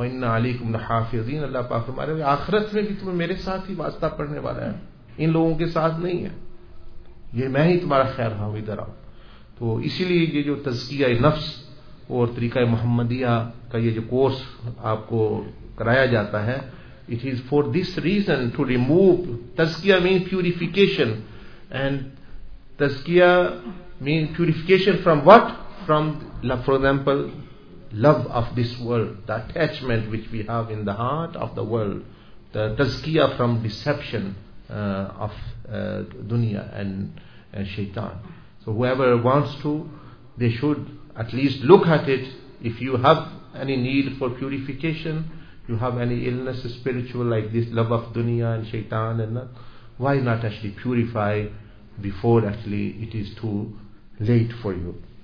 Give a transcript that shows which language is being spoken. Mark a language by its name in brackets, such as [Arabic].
[Arabic] وإن علیکم لحافظین، [Urdu] اللہ پاک ہمارے آخرت میں بھی تمہیں میرے ساتھ ہی واسطہ پڑنے والا ہے، ان لوگوں کے ساتھ نہیں ہے، یہ میں ہی تمہارا خیر ہوں ادھر آؤ. تو اسی لیے یہ جو تزکیہ نفس اور طریقہ محمدیہ کا یہ جو کورس آپ کو کرایا جاتا ہے، [English] It is for this reason to remove. تزکیہ mean purification, and تزکیہ mean purification from what? From for example love of this world, the attachment which we have in the heart of the world, the تزکیہ from deception of دنیا and شیطان. So whoever wants to, they should at least look at it. If you have any need for purification, you have any illness spiritual like this love of dunya and shaitan and that, why not actually purify before actually it is too late for you.